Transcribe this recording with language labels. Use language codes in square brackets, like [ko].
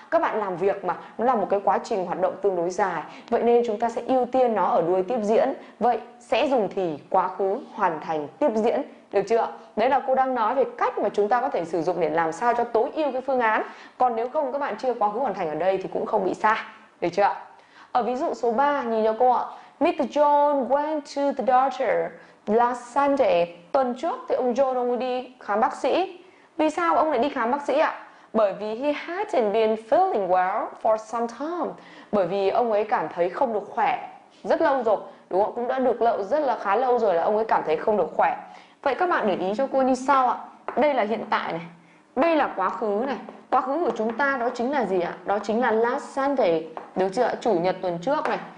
[vi] Các bạn làm việc mà, nó là một cái quá trình hoạt động tương đối dài. Vậy nên chúng ta sẽ ưu tiên nó ở đuôi tiếp diễn. Vậy sẽ dùng thì quá khứ hoàn thành tiếp diễn, được chưa? Đấy là cô đang nói về cách mà chúng ta có thể sử dụng để làm sao cho tối ưu cái phương án. Còn nếu không các bạn chưa quá khứ hoàn thành ở đây thì cũng không bị sai, được chưa? Ở ví dụ số 3, nhìn cho cô ạ. Mr. [en] John went to the doctor last Sunday. [vi] Tuần trước thì ông John ông đi khám bác sĩ. Vì sao ông lại đi khám bác sĩ ạ? Bởi vì [en] he hadn't been feeling well for some time. [vi] Bởi vì ông ấy cảm thấy không được khỏe rất lâu rồi, đúng không? Cũng đã được lâu, rất là khá lâu rồi là ông ấy cảm thấy không được khỏe. Vậy các bạn để ý cho cô như sau ạ. Đây là hiện tại này, đây là quá khứ này. Quá khứ của chúng ta đó chính là gì ạ? Đó chính là [en] last Sunday, [vi] được chưa? Chủ nhật tuần trước này.